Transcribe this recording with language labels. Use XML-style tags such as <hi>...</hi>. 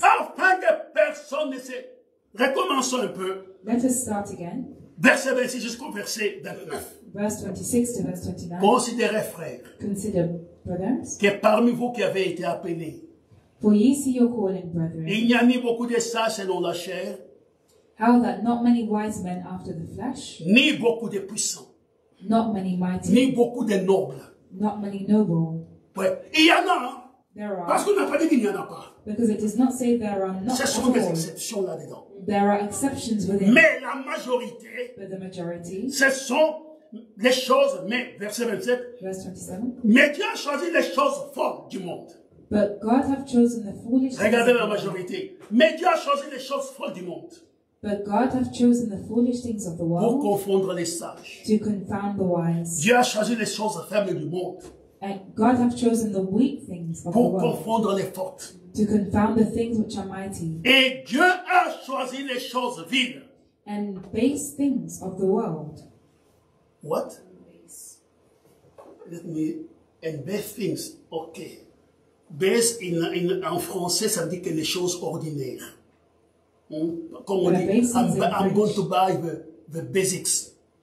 <fr>afin que personne ne se... Recommençons un peu.</fr> <en>Let us start again.</en> <fr>Verset 26 jusqu'au verset 29.</fr> <en>Verse 26 to verse 29.</en> <fr>Considérez, frères,</fr> <en>consider, brothers,</en> <fr>que parmi vous qui avez été appelés,</fr> <en>for ye see your calling, brethren,</en> <fr>il n'y a ni beaucoup de sages selon la chair,</fr> <en>how that not many wise men after the flesh,</en> <fr>ni beaucoup de puissants,</fr> <en>not many mighty,</en> <fr>ni beaucoup de nobles,</fr> <en>not many noble.</en> <fr>Ouais. Il y en a,</fr> <en>there are,</en> <fr>parce qu'on n'a pas dit qu'il n'y en a pas.</fr> <en>Because it does not say there are not</en> <fr>Ce sont</fr> <en>all.</en> <fr>Des exceptions là-dedans.</fr> <en>There are exceptions within.</en> <fr>Mais la majorité,</fr> <en>but the majority,</en> <fr>ce sont les choses, mais verset 27,</fr> <en>verse 27,</en> <fr>mais Dieu a choisi les choses folles du monde.</fr> <en>But God have chosen the foolish.</en> <fr>Regardez la majorité. Mais Dieu a choisi les choses folles du monde.</fr> <en>But God have chosen the foolish things of the world</en> <fr>pour confondre les sages.</fr> <en>To confound the wise.</en> <fr>Dieu a choisi les choses faibles du monde.</fr> <en>And God have chosen the weak things of</en> <fr>pour</fr> <en>the world</en> <fr>confondre les fortes.</fr> <en>To confound the things which are mighty.</en> <fr>Et Dieu a choisi les choses vides.</fr> <en>And base things of the world. What? Let me... And base things, okay.</en> <fr>Base, en français, ça veut dire que les choses ordinaires. Comme on dit,</fr> <en>I'm going to buy the basics.</en>